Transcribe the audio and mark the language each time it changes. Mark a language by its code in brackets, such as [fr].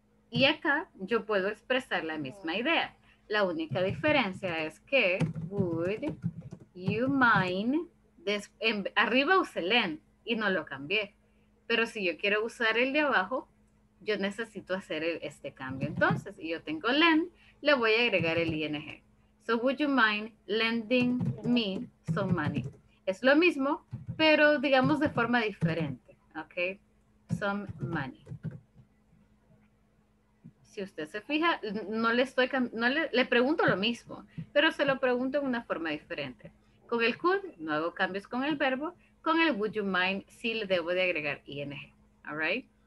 [es] Y acá yo puedo expresar la misma idea. La única diferencia es que would you mind, arriba use lend y no lo cambié. Pero si yo quiero usar el de abajo, yo necesito hacer este cambio. Entonces, si yo tengo lend, le voy a agregar el ing. [en] So would you mind lending me some money? [es] Es lo mismo, pero digamos de forma diferente. [en] Ok, some money. [es] Si usted se fija, le pregunto lo mismo, pero se lo pregunto en una forma diferente. Con el could, no hago cambios con el verbo. Con el would you mind, sí le debo de agregar ing. [en] All right?